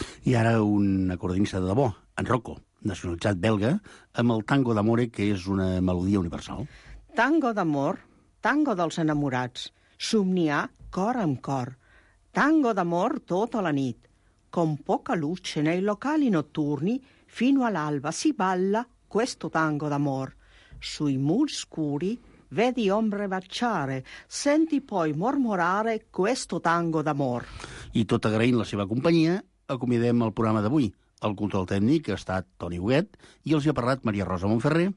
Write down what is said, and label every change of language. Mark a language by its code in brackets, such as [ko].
[ca] I ara un acordinista de debò, en Rocco, nacionalitzat belga, amb el tango d'amore, que és una melodia universal. Tango d'amor, tango dels enamorats, somniar cor amb cor. Tango d'amor tota la nit, [it] con poca luce nei locali notturni, fino all'alba si balla questo tango d'amor. Sui muri scuri, vedi ombre baciare, senti poi mormorare questo tango d'amor. [ca] I tot agraint la seva companyia, acomiadem el programa d'avui. El control tècnic ha estat Toni Huguet i els hi ha parlat Maria Rosa Montferrer.